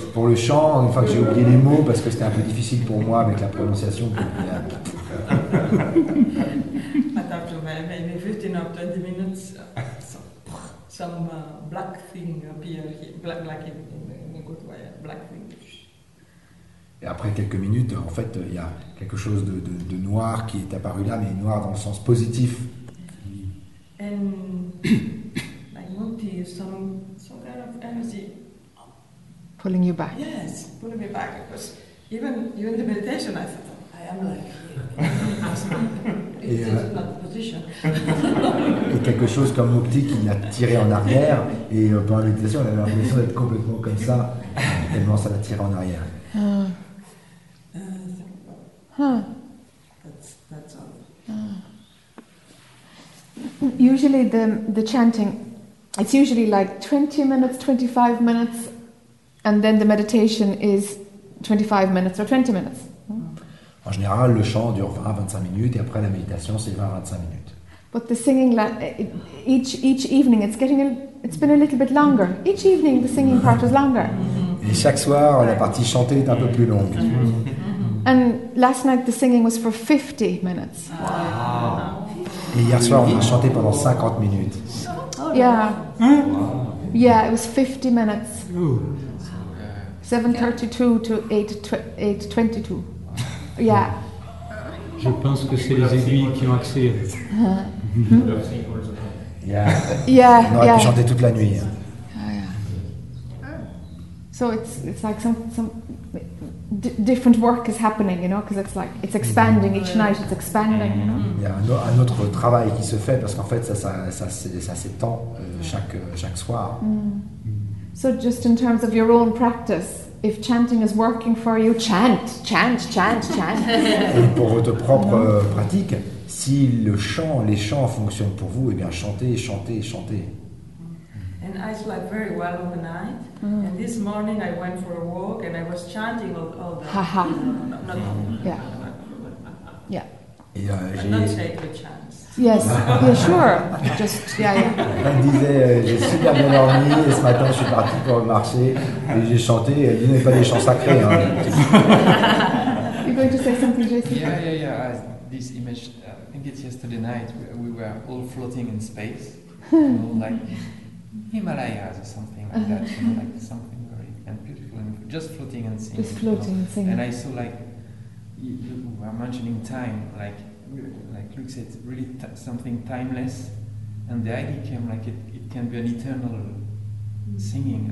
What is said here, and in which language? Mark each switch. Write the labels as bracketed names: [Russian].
[French] Pour le chant, une fois que j'ai oublié les mots, parce que c'était un peu difficile pour moi avec la prononciation. [English] But after maybe 15 or 20 minutes, some black thing appeared here. Black in a good way, black thing. [French] Et après quelques minutes, en fait, il y a quelque chose de noir qui est apparu là, mais noir dans le sens positif. [English] Like Monty, some kind of energy. Pulling you back. Yes, pulling me back. Because even the meditation, I thought, I am like. It's not the position. [French] Et quelque chose comme Monty qui l'a tiré en arrière, et pendant la méditation, elle avait l'impression d'être complètement comme ça, tellement ça l'a tiré en arrière. [English] That's all. Usually the chanting, it's usually like 20 minutes, 25 minutes, and then the meditation is 25 minutes or 20 minutes. [French] En général, le chant dure 20-25 minutes et après la méditation, c'est 20-25 minutes. [English] But the singing, each evening, it's been a little bit longer. Each evening, the singing part was longer. [French] Et chaque soir, la partie chantée est un peu plus longue. [English] And last night, the singing was for 50 minutes. Wow. [French] Et hier soir, on a chanté pendant 50 minutes. [English] Yeah. Wow. Yeah, it was 50 minutes. 7:32 to 8:22. Yeah. [French] Je pense que c'est les aiguilles qui ont accès. Mm-hmm. [English] Yeah. Yeah. [French] On aurait pu chanter toute la nuit. Hein. Yeah. [English] So it's like some different work is happening, you know, because it's like it's expanding each night. It's expanding. You know? [French] Il y a un autre travail qui se fait parce qu'en fait ça s'étend chaque soir. Mm. [English] So just in terms of your own practice. If chanting is working for you, chant. [French] Et pour votre propre pratique, si les chants fonctionnent pour vous, eh bien chantez. [English] And I slept very well overnight. Mm. And this morning I went for a walk and I was chanting all the haha. Yeah. Yeah. And not take a chance. Yes. Yeah, sure. Just yeah. [French] Elle disait, j'ai super bien dormi et ce matin je suis parti pour le marché. Et j'ai chanté, et elle n'est pas des chants sacrés. Hein. [English] You're going to say something, Jesse? Yeah. This image, I think it's yesterday night, we were all floating in space, like Himalayas or something like that, you know, like something very beautiful, and just floating and singing. Just floating and singing. And I saw, like, you were mentioning time, like Luke said, really something timeless, and the idea came like it can be an eternal singing.